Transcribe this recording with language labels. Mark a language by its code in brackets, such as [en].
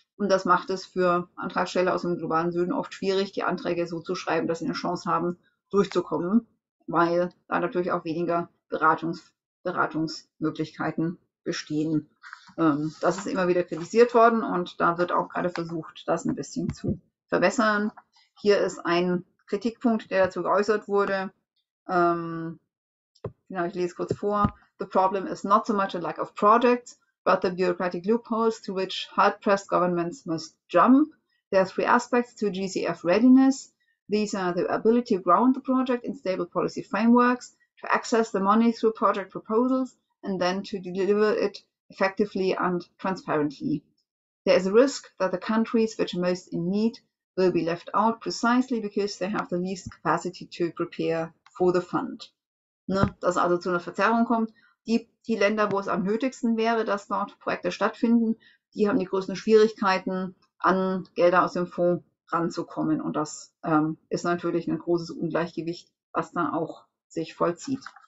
[de] Und das macht es für Antragsteller aus dem globalen Süden oft schwierig, die Anträge so zu schreiben, dass sie eine Chance haben, durchzukommen, weil da natürlich auch weniger Beratungsmöglichkeiten bestehen. Das ist immer wieder kritisiert worden und da wird auch gerade versucht, das ein bisschen zu verbessern. Hier ist ein Kritikpunkt, der dazu geäußert wurde. Ich lese kurz vor. [en] The problem is not so much a lack of projects, but the bureaucratic loopholes to which hard-pressed governments must jump. There are three aspects to GCF readiness. These are the ability to ground the project in stable policy frameworks, to access the money through project proposals and then to deliver it effectively and transparently. There is a risk that the countries which are most in need will be left out precisely because they have the least capacity to prepare for the fund. [de] Ne, dass also zu einer Verzerrung kommt. Die Länder, wo es am nötigsten wäre, dass dort Projekte stattfinden, die haben die größten Schwierigkeiten, an Gelder aus dem Fonds ranzukommen. Und das ist natürlich ein großes Ungleichgewicht, was da auch sich vollzieht.